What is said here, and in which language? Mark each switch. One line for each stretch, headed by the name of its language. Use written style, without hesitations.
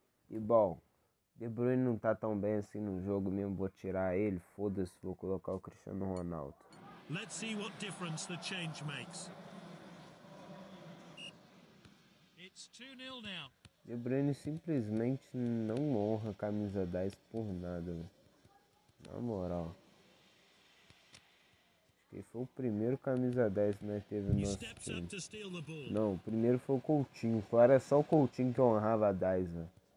Portuguese: E bom, De Bruyne não tá tão bem assim no jogo mesmo. Vou tirar ele, foda-se, vou colocar o Cristiano Ronaldo.
English: Let's see what difference the change makes. It's 2-0 now.
Portuguese: De Bruyne simplesmente não honra a camisa 10 por nada, véio. Na moral. Acho que foi o primeiro camisa 10, né, teve no nosso time. Não, o primeiro foi o Coutinho. Claro, é só o Coutinho que honrava a 10, véio.